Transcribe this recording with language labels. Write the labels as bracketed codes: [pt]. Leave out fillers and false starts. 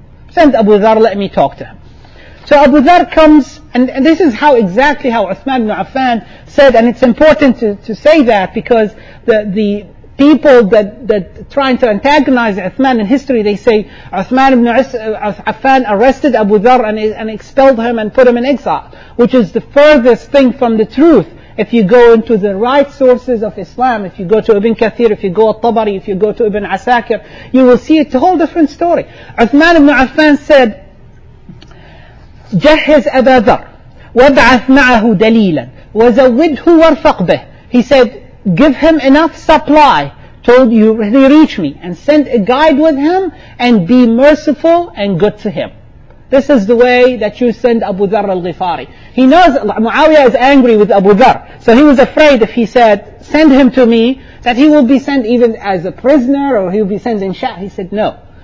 [en] Send Abu Dharr, let me talk to him. So Abu Dharr comes, and this is how Uthman ibn Affan said, and it's important to say that because the people that trying to antagonize Uthman in history, they say Uthman ibn Affan arrested Abu Dharr and expelled him and put him in exile, which is the furthest thing from the truth. If you go into the right sources of Islam, if you go to Ibn Kathir, if you go to Tabari, if you go to Ibn Asakir, you will see it's a whole different story. Uthman ibn Affan said, [ar] جهز أبا ذر وابعث معه دليلا وزوده وارفق به. [en] He said, give him enough supply till you reach me, and send a guide with him and be merciful and good to him. This is the way that you send Abu Dharr al-Ghifari. He knows Muawiyah is angry with Abu Dharr, so he was afraid if he said, send him to me, that he will be sent even as a prisoner or he will be sent in shah. He said, no.